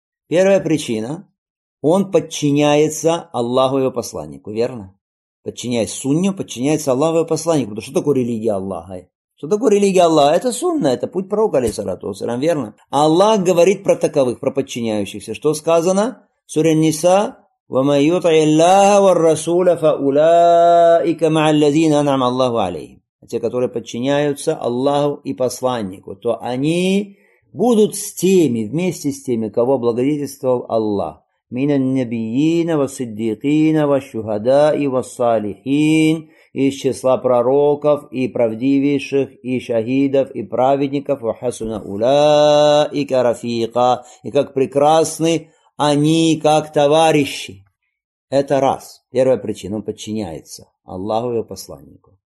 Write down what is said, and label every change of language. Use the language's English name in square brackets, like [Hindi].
[Russian] Первая причина, он подчиняется Аллаху, его посланнику, верно? Подчиняясь сунне, подчиняется Аллаху, его посланнику. Потому что такое религия Аллаха? Что такое религия Аллаха? Это сунна, это путь пророка, [Arabic] алейхиссалату вассалям, [Russian] верно? Аллах говорит про таковых, про подчиняющихся. Что сказано? Сура Ан-Ниса: [Arabic] وَمَنْ يُطِعِ اللَّهَ وَالرَّسُولَ فَأُولَٰئِكَ مَعَ الَّذِينَ أَنْعَمَ اللَّهُ عَلَيْهِمْ. [Russian] Те, которые подчиняются Аллаху и посланнику, то они будут с теми, вместе с теми, кого благодетельствовал Аллах. [Arabic] مِنَ النَّبِيِّينَ وَالصِّدِّيقِينَ وَالشُّهَدَاءِ وَالصَّالِحِينَ, [Russian] из числа пророков и правдивейших, и шахидов, и праведников, [Arabic] ва хасуна улаика рафика, [Russian] и как прекрасны они, как товарищи. Это раз. Первая причина, он подчиняется Аллаху и его посланнику.